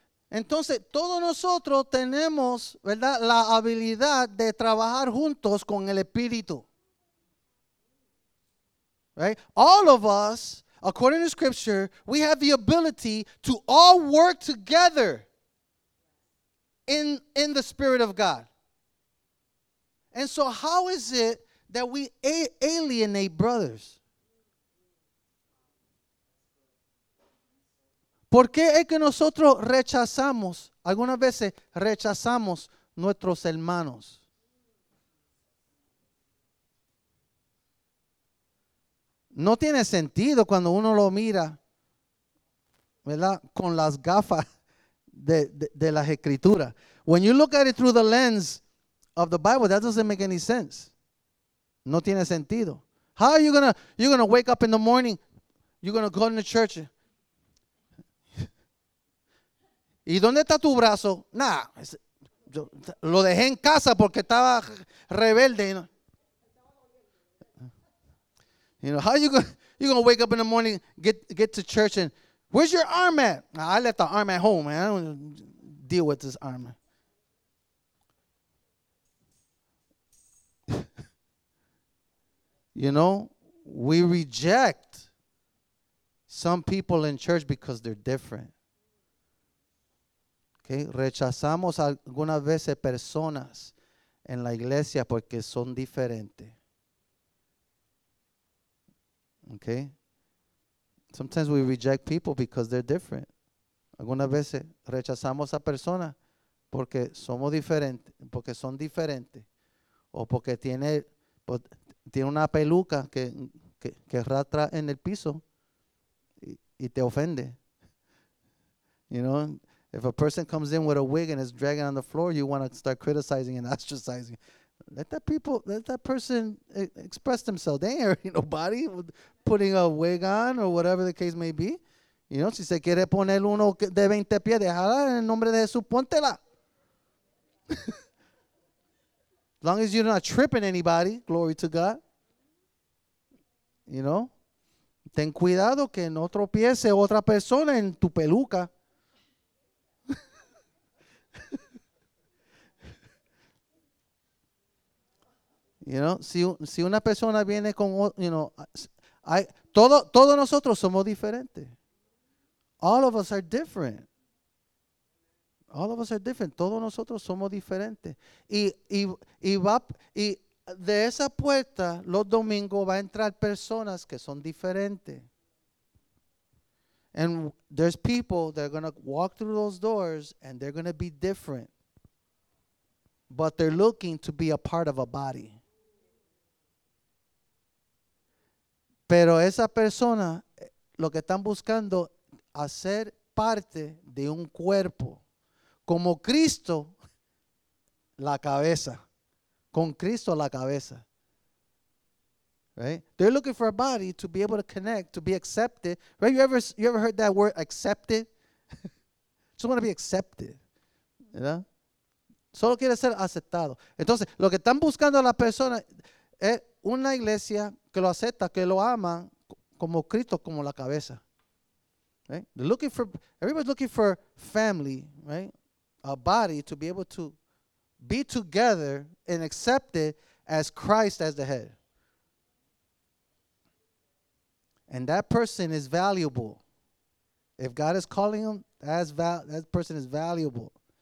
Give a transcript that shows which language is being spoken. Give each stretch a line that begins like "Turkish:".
Spanish: Entonces, todos nosotros tenemos, ¿verdad?, la habilidad de trabajar juntos con el Espíritu.
English: Right? All of us, according to Scripture, we have the ability to all work together in the Spirit of God. And so how is it that we alienate brothers?
Spanish: ¿Por qué es que nosotros rechazamos, algunas veces rechazamos nuestros hermanos? No tiene sentido cuando uno lo mira, ¿verdad? Con las gafas de las Escrituras.
English: When you look at it through the lens of the Bible, that doesn't make any sense.
Spanish: No tiene sentido.
English: How are you gonna wake up in the morning, you're gonna go to the church?
Spanish: ¿Y dónde está tu brazo? Nah, yo lo dejé en casa porque estaba rebelde.
English: You know, how you gonna wake up in the morning, get to church, and where's your arm at? Nah, I left the arm at home, man. I don't deal with this arm. You know, we reject some people in church because they're different. Okay.
Spanish: Rechazamos algunas veces personas en la iglesia porque son diferentes.
English: Okay. Sometimes we reject people because they're different.
Spanish: Algunas veces rechazamos a personas porque somos diferentes, porque son diferentes, o porque tiene una peluca que rastra en el piso y te ofende.
English: You know? If a person comes in with a wig and is dragging on the floor, you want to start criticizing and ostracizing. Let that person express themselves. They ain't hurting nobody with putting a wig on or whatever the case may be.
Spanish: You know, si se quiere poner uno de 20 pies, déjala en el nombre de Jesús, póntela.
English: As long as you're not tripping anybody, glory to God. You know?
Spanish: Ten cuidado que no tropiece otra persona en tu peluca. You know, si una persona viene con, you know, todos nosotros somos diferentes.
English: All of us are different. All of us are different.
Spanish: Todos nosotros somos diferentes. Y de esa puerta los domingos va a entrar personas que son diferentes.
English: And there's people that are going to walk through those doors and they're going to be different. But they're looking to be a part of a body.
Spanish: Pero esa persona, lo que están buscando, hacer parte de un cuerpo. Como Cristo, la cabeza. Con Cristo, la cabeza. Right?
English: They're looking for a body to be able to connect, to be accepted. Right? You ever heard that word, accepted? Just want to be accepted. You know?
Spanish: Solo quiere ser aceptado. Entonces, lo que están buscando las personas es una iglesia que lo acepta, que lo ama como Cristo, como la cabeza.
English: Right? They're looking for, everybody's looking for family, right? A body to be able to be together and accepted as Christ as the head. And that person is valuable. If God is calling them, that person is valuable.